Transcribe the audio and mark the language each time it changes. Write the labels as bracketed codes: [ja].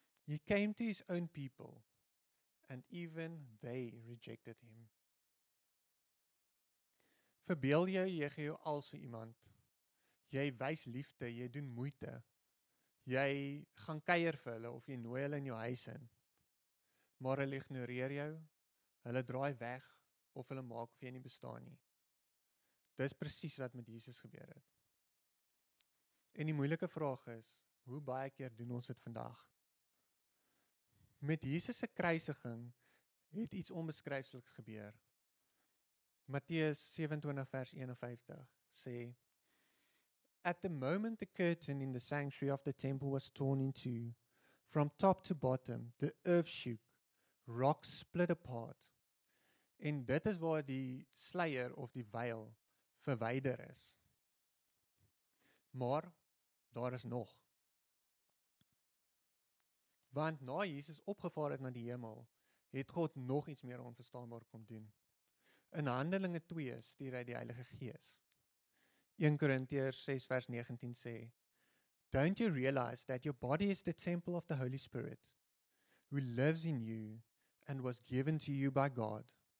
[en] He came to his own people, and even they rejected him. [af] Verbeel jou, jy gee jou al so iemand. Jy wys liefde, jy doen moeite. Jy gaan kuier vir hulle of jy nooi hulle in jou huis in. Maar hulle ignoreer jou, hulle draai weg of hulle maak of jy nie bestaan nie. Dis precies wat met Jesus gebeur het. En die moeilike vraag is, hoe baie keer doen ons dit vandag? Met Jesus' kruisiging het iets onbeskryfseliks gebeur. Matteus 27 vers 51 sê, [en] At the moment the curtain in the sanctuary of the temple was torn in two, from top to bottom, the earth shook, rocks split apart. [af] En dit is waar die sluier of die veil verwyder is. Maar daar is nog. Want na Jesus opgevaar het na die hemel, het God nog iets meer onverstaanbaar kom doen. In Handelinge 2 stuur hy die Heilige Gees. 1 Korintiërs 6 vers 19 sê, [en] Don't you realize that your body is the temple of the Holy Spirit, who lives in you and was given to you by God?